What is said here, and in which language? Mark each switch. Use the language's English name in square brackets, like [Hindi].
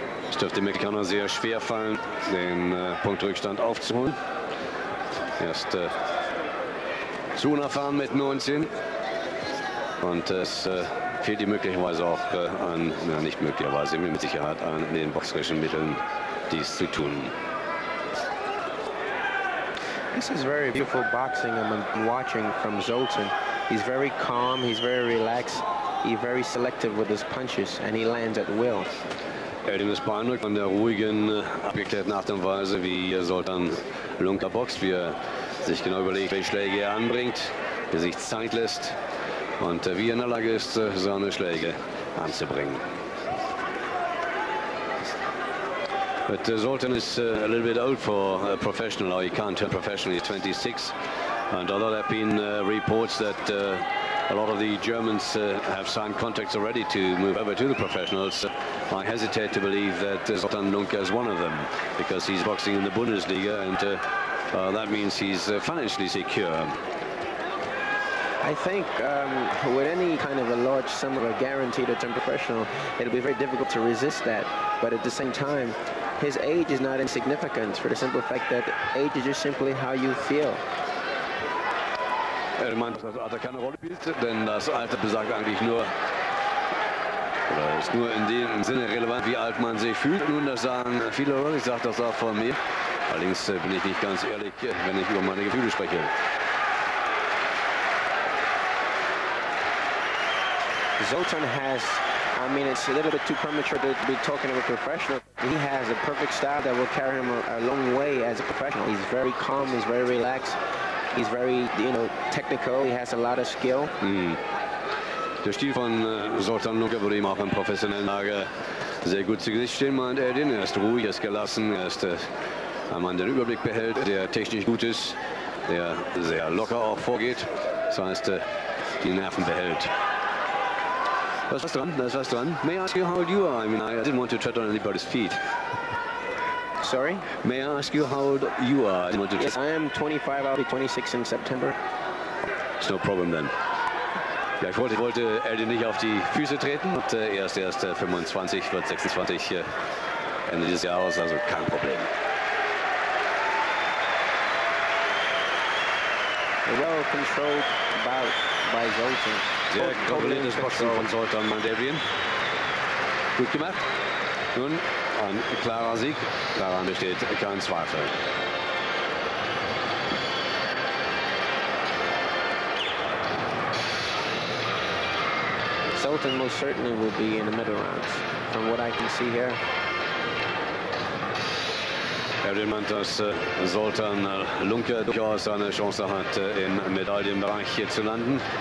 [German] Es dürfte dem Mexikaner sehr schwer fallen, den Punktrückstand aufzuholen. Er ist zu unerfahren mit 19. Und es fehlt ihm möglicherweise mit Sicherheit an den boxerischen Mitteln, dies zu tun. [English] This is very beautiful boxing I'm watching from Zoltan. He's very calm, he's very relaxed, he's very selective with his punches and he lands at will. [German] Adrian ist beeindruckt von der ruhigen, abgeklärten Art und Weise, wie Zoltan Lunke boxt, wie er sich genau überlegt, welche Schläge er anbringt, wie er sich Zeit lässt. Und wie er in der Lage ist, seine Schläge anzubringen. [English] But Zoltan is a little bit old for a professional, or he can't turn professional, he's 26. And although there have been reports that a lot of the Germans have signed contracts already to move over to the professionals, I hesitate to believe that Zoltan Lunke is one of them, because he's boxing in the Bundesliga, and that means he's financially secure. I think with any kind of a large sum of a guarantee to turn professional, it'll be very difficult to resist that. But at the same time, his age is not insignificant, for the simple fact that age is just simply how you feel. [German] Er meint, dass er keine Rolle spielt, denn das Alter besagt eigentlich nur, oder ist nur in dem Sinne relevant, wie alt man sich fühlt. Nun, das sagen viele Leute, ich sage das auch von mir. Allerdings bin ich nicht ganz ehrlich, wenn ich über meine Gefühle spreche. [English] Zoltan has, I mean, it's a little bit too premature to be talking about professional. He has a perfect style that will carry him a long way as a professional. He's very calm, he's very relaxed. He's very, you know, technical. He has a lot of skill. [German] Der Stil von Zoltan Lunke würde ihm auch in professionellen Lage sehr gut zu Gesicht stehen, meint Erdin. Er ist ruhig, er ist gelassen, er ist ein Mann, der den Überblick behält, der technisch gut ist, der sehr locker auch vorgeht. Das heißt, die Nerven behält. Was ist dran? Was ist dran? [English] May I ask you how old you are? I mean, I didn't want to tread on anybody's feet. Sorry? May I ask you how old you are? Yes, I am 25. I'll be 26 in September. It's no problem then. [German] Ja, ich wollte Erdin nicht auf die Füße treten. Und erst 25, wird 26 Ende dieses Jahres, also kein Problem. [English] Well controlled bout by Zoltan. [German] Sehr kompliziertes Boxen von Zoltan Mandevian. Gut gemacht. Nun. Ein klarer Sieg, daran besteht kein Zweifel. [English] Zoltan most certainly will be in the middle rounds, from what I can see here. [German] Erdin meint, dass Zoltan Lunke durchaus eine Chance hat, im Medaillenbereich hier zu landen.